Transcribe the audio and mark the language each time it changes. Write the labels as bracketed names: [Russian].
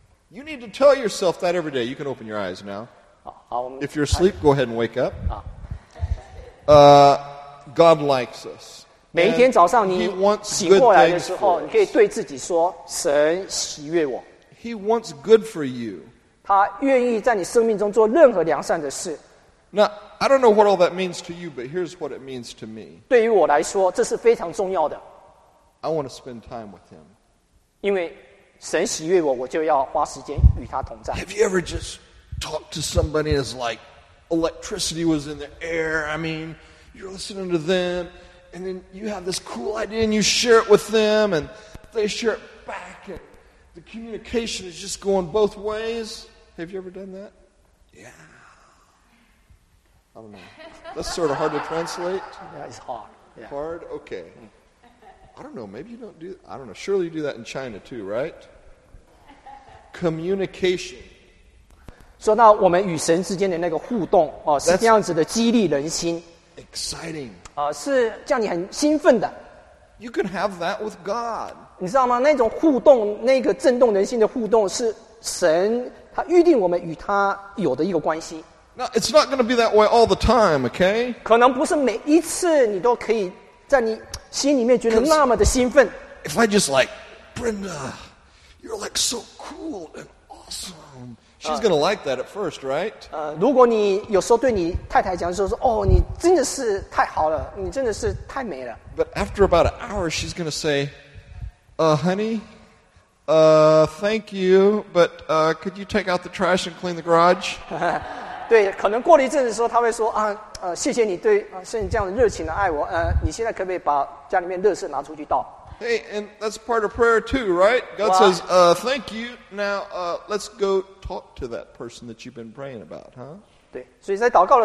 [English] You need to tell yourself that every day. You can open your eyes now. If you're asleep, go ahead and wake up. God likes us. [Chinese] 每一天早上你醒过来的时候，你可以对自己说：“神喜悦我。” [English] He wants good for you. [Chinese] 他愿意在你生命中做任何良善的事。 [English] Now, I don't know what all that means to you, but here's what it means to me. [Chinese] 对于我来说，这是非常重要的。 [English] I want to spend time with him. [Chinese] 因为神喜悦我，我就要花时间与他同在。 [English] Have you ever just... Talk to somebody as like electricity was in the air. I mean, you're listening to them, and then you have this cool idea, and you share it with them, and they share it back, and the communication is just going both ways. Have you ever done that? Yeah. I don't know. That's sort of hard to translate. Yeah, it's hard. Yeah. Hard? Okay. I don't know. Maybe you don't do that. I don't know. Surely you do that in China too, right? Communication. [Chinese] 说到我们与神之间的那个互动、是这样子的激励人心 [English] exciting、 [Chinese] 是叫你很兴奋的 [English] you can have that with God [Chinese] 你知道吗那种互动那个震动人心的互动是神他预定我们与他有的一个关系 [English] Now, it's not going to be that way all the time okay [Chinese] 可能不是每一次你都可以在你心里面觉得那么的兴奋 [English] if I just like, Brenda, you're like so cool and awesome. She's going to like that at first, right? [Chinese] 如果你有时候对你太太讲说，哦，你真的是太好了，你真的是太美了。 [English] But after about an hour, she's going to say, honey, thank you, but could you take out the trash and clean the garage? [Chinese] 对，可能过了一阵子说，他会说，啊，谢谢你对，是你这样热情的爱我，你现在可不可以把家里面垃圾拿出去倒？ [English] Hey, and that's part of prayer too, right? God says, thank you. Now, let's go talk to that person that you've been praying about, huh?